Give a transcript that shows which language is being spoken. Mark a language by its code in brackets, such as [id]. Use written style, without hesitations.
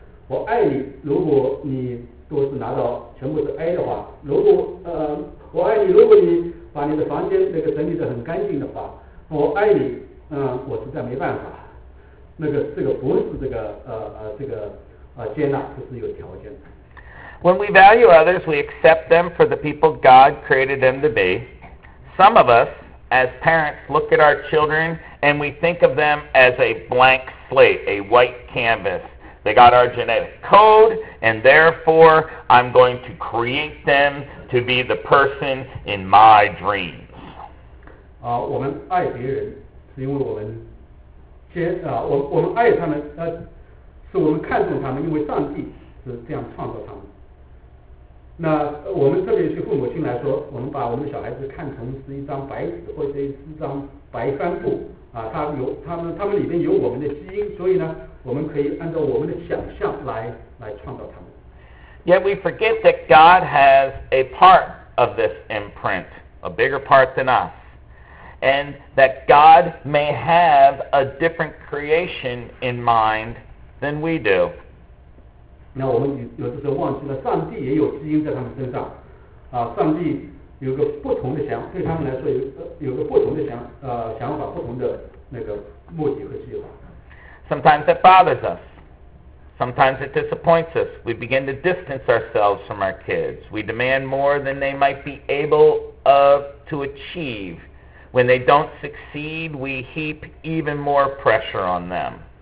[zh] 我爱你，如果你都是拿到全部是 A 的话，如果我爱你，如果你把你的房间那个整理得很干净的话，我爱你，我实在没办法。那个这个不是这个接纳，不是有条件的。 [en] When we value others, we accept them for the people God created them to be. Some of us, as parents, look at our children and we think of them as a blank slate, a white canvas. They got our genetic code, and therefore, I'm going to create them to be the person in my dreams. [zh] 我们爱别人是因为我们接我们爱他们，是我们看重他们，因为上帝是这样创造他们。那我们这里去父母亲来说，我们把我们的小孩子看成是一张白纸或者是一张白帆布啊，他们里面有我们的基因，所以呢，我们可以按照我们的想象来创造他们。 [en] Yet we forget that God has a part of this imprint, a bigger part than us, and that God may have a different creation in mind than we do. [zh] 那我们有的时候忘记了，上帝也有基因在他们身上，啊，上帝有个不同的想，对他们来说有个不同的想法，不同的那个目的和计划。 [en] Sometimes it bothers us. Sometimes it disappoints us. We begin to distance ourselves from our kids. We demand more than they might be able of to achieve. When they don't succeed, we heap even more pressure on them.